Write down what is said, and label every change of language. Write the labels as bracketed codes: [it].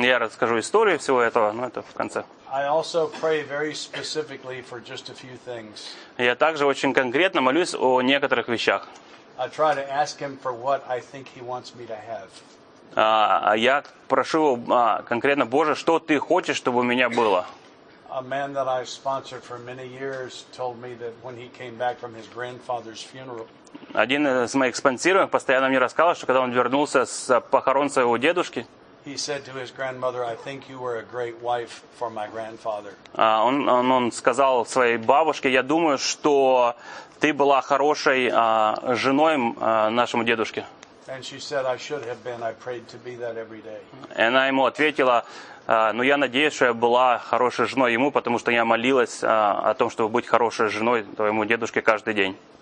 [ru] Я расскажу историю всего этого, но это в конце. [en] I also pray very specifically for just a few things. [ru] Я также очень конкретно молюсь о некоторых вещах. [en] I try to ask him for what I think he wants me to have. [ru] Я прошу конкретно, Боже, что ты хочешь, чтобы у меня было? [en] A man that I sponsored for many years told me that when he came back from his grandfather's funeral. [ru] Один из моих спонсируемых постоянно мне рассказывал, что когда он вернулся с похорон своего дедушки. [en] He said to his grandmother, "I think you were a great wife for my grandfather." [ru] Он сказал своей бабушке, я думаю, что ты была хорошей женой нашему дедушке. [en] And she said, "I should have been. I prayed to be that every day." [ru] И она ему ответила. Но я надеюсь, что я была хорошей женой ему, потому что я молилась о том, чтобы быть хорошей женой твоему дедушке каждый день.